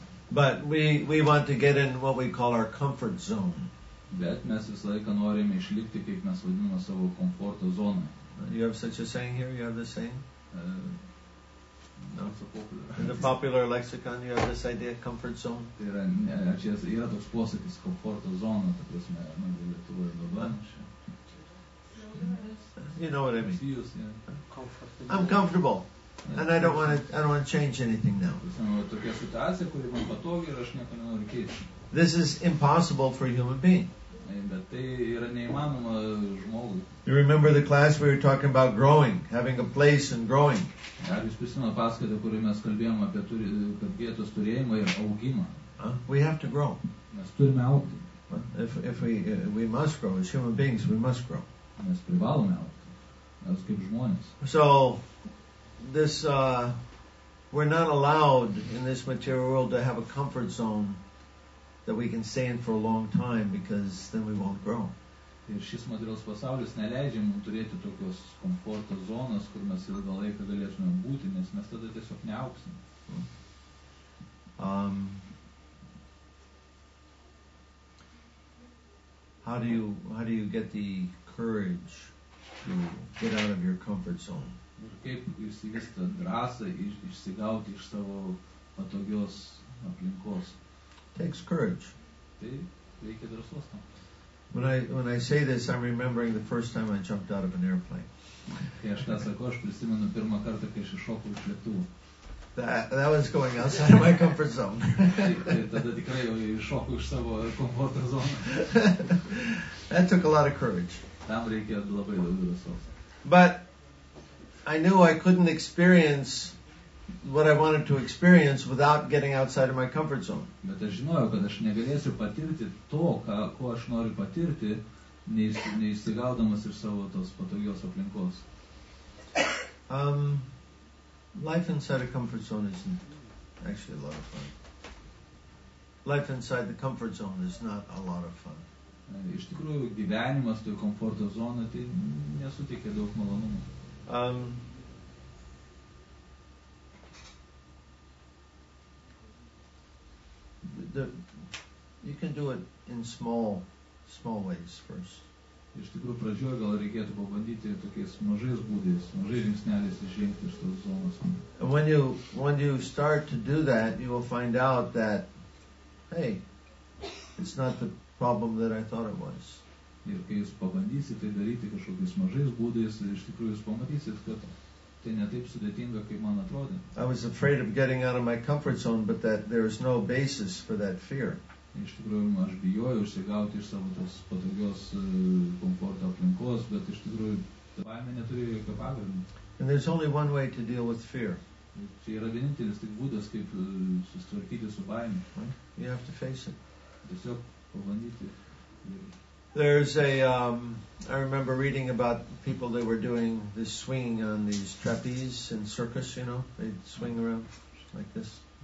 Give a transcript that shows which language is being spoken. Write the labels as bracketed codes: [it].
[en] But we want to get in what we call our comfort zone. [lt] Bet mes visą laiką norim išlikti, kaip mes vadiname, savo komforto zoną. [en] You have such a saying here, you have the saying? No. In the popular lexicon, you have this idea, comfort zone. [lt] Yra toks posakis, komforto zona, ta prasme, nu, Lietuvoje dabar. [en] You know what I mean? Yeah. I'm comfortable, yeah. And I don't want to change anything now. [lt] Tokia situacija, kuri man patogi, ir aš nieko nenoriu keisti. [en] This is impossible for a human being. [lt] Bet tai yra neįmanoma žmogui. [en] You remember the class we were talking about growing, having a place and growing. [lt] Jūs prisimenat paskaitą, kurioje mes kalbėjom apie vietos turėjimą ir augimą. [en] We have to grow. [lt] Mes turime augti. [en] If we must grow, as human beings, we must grow. [lt] Mes privalome augti. Mes kaip žmonės. [en] So, this, we're not allowed in this material world to have a comfort zone that we can stay in for a long time, because then we won't grow. [lt] Ir šis materialus pasaulis neleidžia mums turėti tokios komforto zonos, kur mes ilgą laiką galėtume būti, nes mes tada tiesiog neauksime. [en] How do you get the courage to get out of your comfort zone? [lt] Ir kaip išsivystė drąsą išsigauti iš savo patogios aplinkos? [en] Takes courage. [lt] Tai reikia drąsos tam. [en] When I say this, I'm remembering the first time I jumped out of an airplane. [lt] Kai aš tą sakau, aš prisimenu pirmą kartą, kai iššokau iš lėktuvo. [en] That was going outside of my comfort zone. [lt] Tada tikrai jau iššokau iš savo komforto zonos. [en] That took a lot of courage. [lt] Tam reikėjo labai daug drąsos. [en] But I knew I couldn't experience what I wanted to experience without getting outside of my comfort zone. [lt] Bet aš žinojau, kad aš negalėsiu patirti to, ko aš noriu patirti, neįsigaudamas iš savo tos patogios aplinkos. [en] Life inside a comfort zone isn't actually a lot of fun. Life inside the comfort zone is not a lot of fun. [lt] Iš tikrųjų, gyvenimas toje komforto zonoje tai nesuteikia daug malonumo. [en] You can do it in small ways first. [lt] Iš tikrųjų pradžioje gal reikėtų pabandyti tokiais mažais būdais, mažais žingsneliais išėjti iš tos zonos. [en] And when you start to do that, you will find out that, hey, it's not the problem that I thought it was. [lt] Ir kai jūs pabandysite daryti kažkokiais mažais būdais, iš tikrųjų jūs pamatysite, kad tai ne taip sudėtinga, kaip man atrodė. [en] I was afraid of getting out of my comfort zone, but that there is no basis for that fear. [lt] Iš tikrųjų, aš bijojau išsigauti iš savo tos patogios komforto aplinkos, bet iš tikrųjų, baimė neturėjo jokio pagrindo. [en] And there's only one way to deal with fear. [lt] Čia yra vienintelis tik būdas, kaip susitvarkyti su baime. [en] You have to face it. [lt] Tiesiog pabandyti. [en] There's a, I remember reading about people that were doing this swinging on these trapeze in circus, you know, they'd swing around like this.